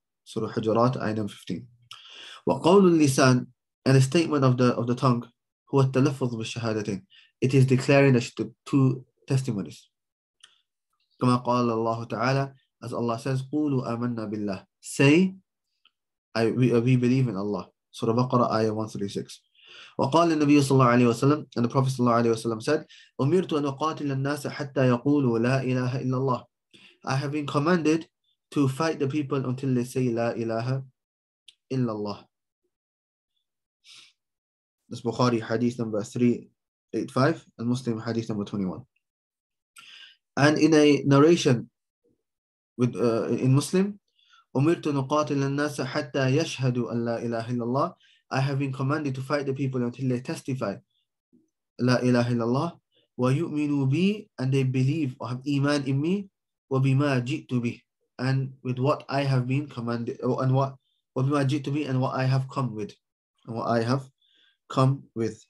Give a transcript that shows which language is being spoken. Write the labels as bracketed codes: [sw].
[en] Surah Hujurat, ayah 15. [ar] وَقَوْلُ اللِّسَانِ [en] And a statement of the tongue, [ar] هُوَ التَّلَفُظُ بِالشَّهَادَتِينَ [en] It is declaring the two testimonies. [ar] كَمَا قَالَ اللَّهُ تَعَالَى [en] As Allah says, [ar] قُولُ آمَنَّا بِاللَّهِ [en] Say, we believe in Allah. Surah Baqarah, ayah 136. [ar] وَقَالَ النَّبِيُّ صَلَّى اللَّهُ عَلَيْهِ وَسَلَّمَ [en] And the Prophet [ar] صَلَّى اللَّهُ عَلَيْهِ وَسَلَّمَ [en] said, [ar] أُمِرْتُ أَنْ أُقَاتِلَ النَّاسَ حَتَّى يَقُولُوا لَا إِلَهَ إِلَّا اللَّهُ [en] I have been commanded to fight the people until they say [ar] لَا إِلَهَ إِلَّا اللَّهُ [en] This Bukhari hadith number 385 and Muslim hadith number 21. And in a narration with in Muslim, [ar] أُمِرْتُ نُقَاتِلَ النَّاسَ حَتَّى يَشْهَدُوا أَنْ لَا إِلَهَ إِلَّا اللَّهُ [en] I have been commanded to fight the people until they testify [ar] لَا إِلَهَ إِلَّا اللَّهُ وَيُؤْمِنُوا بِي [en] And they believe or have iman in me [ar] وَبِمَا جِئْتُ بِهِ [en] And with what I have been commanded and وَبِمَا جِئْتُ بِهِ And what I have come with and what I have come with.